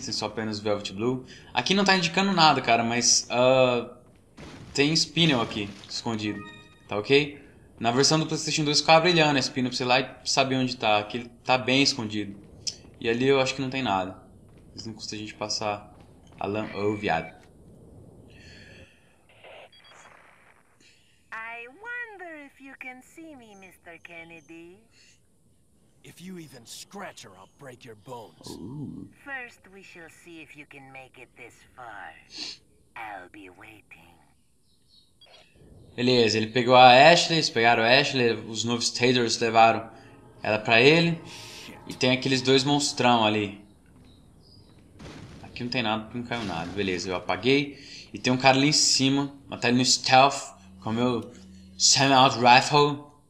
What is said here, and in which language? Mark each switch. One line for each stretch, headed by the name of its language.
Portuguese: Tem só apenas Velvet Blue. Aqui não tá indicando nada, cara, mas tem Spinel aqui, escondido. Tá ok? Na versão do PlayStation 2 ficava brilhando esse pino pra você ir lá e saber onde tá. Aqui ele tá bem escondido. E ali eu acho que não tem nada. Mas não custa a gente passar a lâmpada. Ô, viado.
English: I wonder if you can see me, Mr. Kennedy. If you even scratch her, I'll break your bones. Ooh. First, we shall see if you can make it this far. I'll be waiting.
Portuguese: Beleza, ele pegou a Ashley, pegaram a Ashley, os novos Taters levaram ela pra ele. E tem aqueles dois monstrão ali. Aqui não tem nada, porque não caiu nada. Beleza, eu apaguei. E tem um cara ali em cima, matar ele no stealth, com o meu semi-auto rifle.